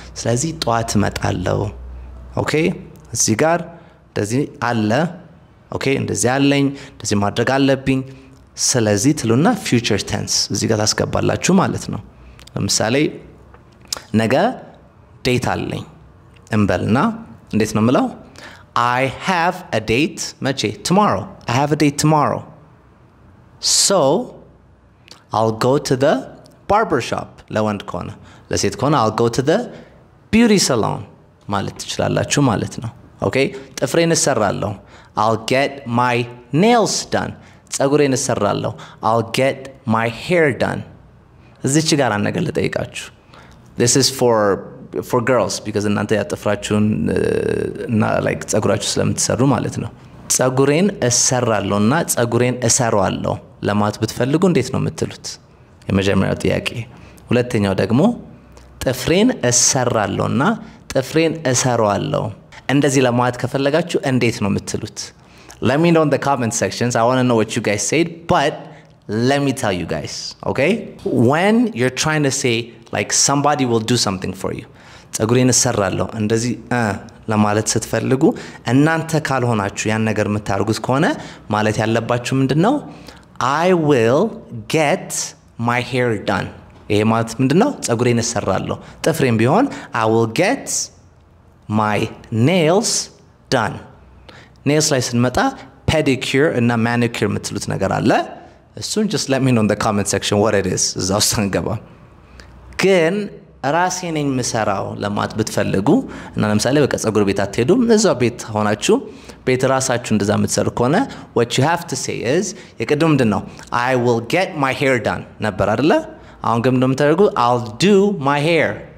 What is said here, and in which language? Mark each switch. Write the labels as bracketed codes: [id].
[am] ስለዚህ ጠዋት እመጣለሁ. ኦኬ? እዚህ ጋር እንደዚህ አለ. ኦኬ? እንደዚህ አለኝ. እንደዚህ ማድረግ አለብኝ. ስለዚህ ትሉና future tense እዚህ ጋር ታስገባላችሁ ማለት ነው. ለምሳሌ ነገ ዴት አለኝ እንበልና እንዴት ነው የምለው? [en] I have a date [am] መቼ? [en] Tomorrow. I have a date tomorrow. So I'll go to the barber shop. [am] ለወንድ ከሆነ ለሴት ከሆነ [en] I'll go to the beauty salon [am] ማለት ትችላላችሁ ማለት ነው. ኦኬ? ጥፍሬን እሰራለሁ. [en] I'll get my nails done. [am] ጸጉሬን እሰራለሁ. [en] I'll get my hair done. [am] እዚች ጋር አነገር ልጠይቃችሁ. [en] This is for girls because [am] እናንተ ያጥፍራችሁን እና ላይክ ጸጉራችሁ ስለምትሰሩ ማለት ነው. ጸጉሬን እሰራለሁ እና ጸጉሬን እሰራዋለሁ ለማለት ብትፈልጉ እንዴት ነው የምትሉት? የመጀመሪያው ጥያቄ. ሁለተኛው ደግሞ ጥፍሬን እሰራለሁ እና ጥፍሬን እሰራዋለሁ እንደዚህ ለማለት ከፈለጋችሁ እንዴት ነው የምትሉት? [en] Let me know in the comment sections. I want to know what you guys said, but let me tell you guys, okay? When you're trying to say like somebody will do something for you. [am] ጸጉሬን እሰራለሁ እንደዚህ ለማለት ስትፈልጉ እናንተ ካልሆናችሁ ያን ነገር የምታርጉት ከሆነ ማለት ያለባችሁ ምንድነው? [en] I will get my hair done. [am] ይሄ ማለት ምንድነው? ጸጉሬን እሰራለሁ. ጥፍሬም ቢሆን [en] I will get my nails done. [am] ኔልስ ላይ ስንመጣ ፔዲኪር እና ማኒኪር የምትሉት ነገር አለ. እሱን [en] just let me know in the comment section what it is. [am] እዛው ስንገባ ግን ራሴ ነኝ ምሰራው ለማለት ብትፈልጉ እና ለምሳሌ በቃ ጸጉር ቤት አትሄዱም እዛው ቤት ሆናችሁ ቤት ራሳችሁ እንደዛ የምትሰሩ ከሆነ [en] what you have to say is [am] የቅድም ምንድነው? [en] I will get my hair done [am] ነበር አይደለ? አሁን ግን እንደምታደርጉ [en] I'll do my hair.